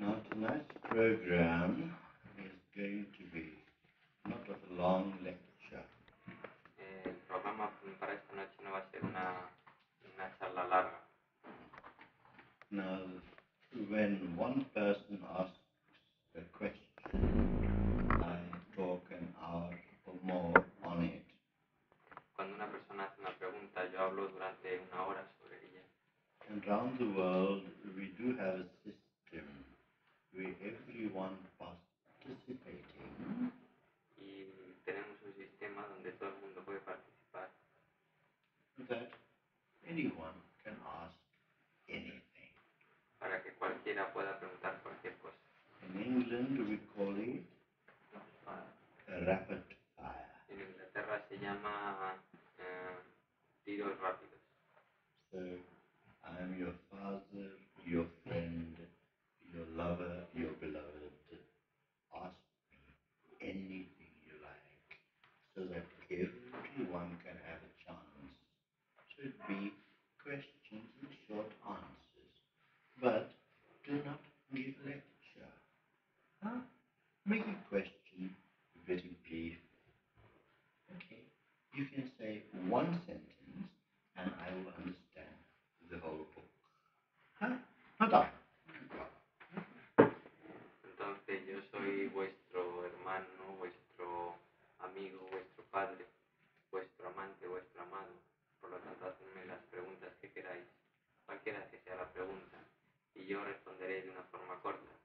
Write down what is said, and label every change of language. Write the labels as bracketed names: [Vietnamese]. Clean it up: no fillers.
[English] Tonight's program is going to be not a long lecture. [Spanish] El programa para esta noche no va a ser una charla larga. [English] Now, when one person asks a question, I talk an hour or more on it. [Spanish] Cuando una persona hace una pregunta, yo hablo durante una hora sobre ella. [English] And around the world, we do have a system. Everyone participating. [Spanish] Y tenemos un sistema donde todo el mundo puede participar. [English] That anyone can ask anything. [Spanish] Para que cualquiera pueda preguntar cualquier cosa. [English] In England we call it rapid fire. [Spanish] En Inglaterra se llama tiros rápidos. [English] So, I am your father, your friend, your lover, your beloved, ask me anything you like, so that everyone can have a chance. Should be questions and short answers, but do not give lecture. Make a question very brief. Okay, you can say one sentence, and I will understand the whole book. Not I. [Spanish] Yo soy vuestro hermano, vuestro amigo, vuestro padre, vuestro amante, vuestro amado. Por lo tanto, hacedme las preguntas que queráis, cualquiera que sea la pregunta, y yo responderé de una forma corta.